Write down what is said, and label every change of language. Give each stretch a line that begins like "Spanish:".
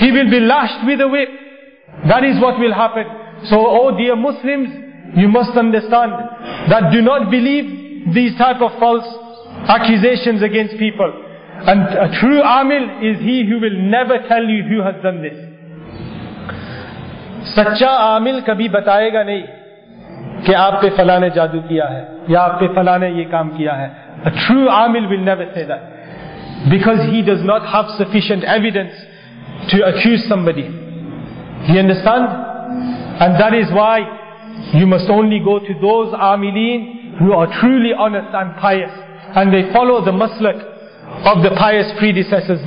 English: He will be lashed with a whip. That is what will happen. So, oh dear Muslims, you must understand that do not believe these type of false accusations against people. And a true amil is he who will never tell you who has done this.
Urdu: سچا عامل کبھی بتائے گا نہیں کے آپ پے فلانے جادو کیا ہے یا آپ پے فلانے یہ کام کیا ہے.
English: A true amil will never say that, because he does not have sufficient evidence to accuse somebody. You understand? And that is why you must only go to those amileen who are truly honest and pious, and they follow the maslak of the pious predecessors.